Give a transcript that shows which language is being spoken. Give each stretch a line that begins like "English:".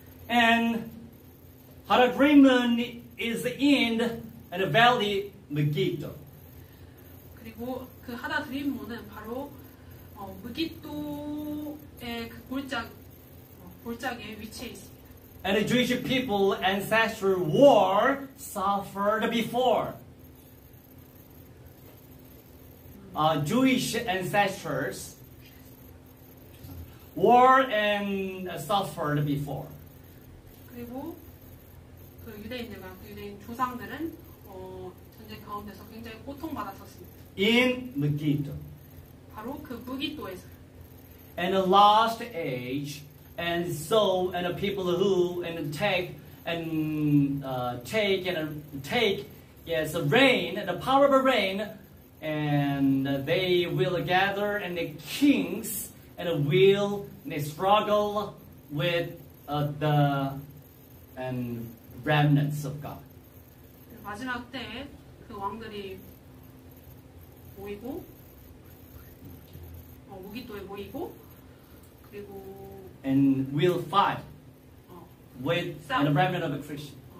English: And 하다드림문 is in the valley Megiddo.
Korean: 그리고 그 하다드림문은 바로 무기또의 그 골짜기에 위치해 있습니다.
English: And the Jewish people ancestral war suffered before. Jewish ancestors war and suffered before.
Korean: 그리고 그 유대인들과 그 유대인 조상들은 전쟁 가운데서 굉장히 고통받았었습니다.
English: In Megiddo.
Korean: 바로 그 무기또에서.
English: And the last age and so and the people who and take and take and take yes rain the power of rain and they will gather and the kings and will they struggle with the and remnants of God.
Korean: 마지막 때 그 왕들이 모이고 무기또에 모이고 그리고
English: and will fight with the remnant of a Christian.